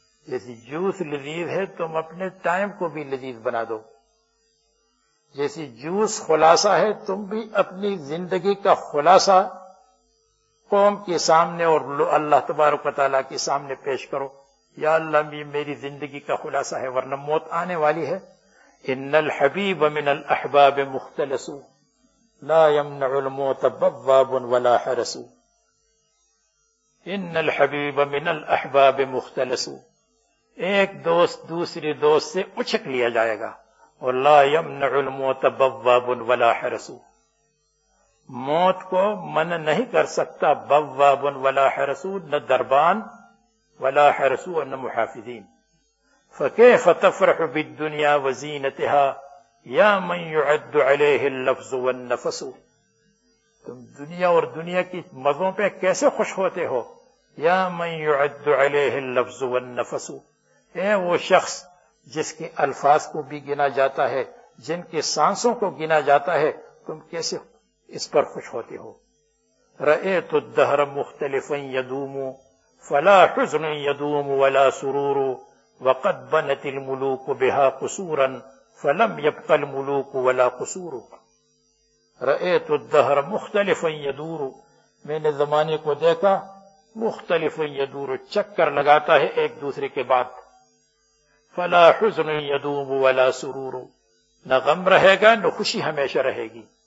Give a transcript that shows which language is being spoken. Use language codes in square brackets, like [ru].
[ur] جیسے جوس لذیذ ہے تم اپنے ٹائم کو بھی لذیذ بنا دو, جیسے جوس خلاصہ ہے تم بھی اپنی زندگی کا خلاصہ قوم کے سامنے اور اللہ تبارک و تعالیٰ کے سامنے پیش کرو. یا اللہ یہ میری زندگی کا خلاصہ ہے ورنہ موت آنے والی ہے. [ar] ان الحبیب من الاحباب مختلص لا يمنع الموت بواب ولا حرس. ان الحبیب من الاحباب مختلص, [ur] ایک دوست دوسرے دوست سے اچھک لیا جائے گا. اور [ar] لا يمنع الموت بواب ولا حرس, [ur] موت کو من نہیں کر سکتا [ar] بواب ولا حرس, [ur] نہ دربان [ar] ولا حرسوا [ur] ان محافظین. [ar] فكيف تفرح بالدنيا وزينتها يا من يعد عليه اللفظ والنفس. [ur] تم دنیا اور دنیا کی مزوں پہ کیسے خوش ہوتے ہو. [ar] یا من يعد عليه اللفظ والنفس, [ur] اے وہ شخص جس کے الفاظ کو بھی گنا جاتا ہے, جن کے سانسوں کو گنا جاتا ہے, تم کیسے اس پر خوش ہوتے ہو. [ar] رأيت الدهر مختلفا يدوم فلا حزن يدوم ولا سرور وقد بنت الملوك بها قصورا فلم يبق الملوك ولا قصور. رأيت الدهر مختلفا يدور, [ur] میں نے زمانے کو دیکھا [ar] مختلفا يدور, [ur] چکر لگاتا ہے ایک دوسرے کے بعد. [ar] فلا حزن يدوم ولا سرور, [ur] نہ غم رہے گا نہ خوشی ہمیشہ رہے گی.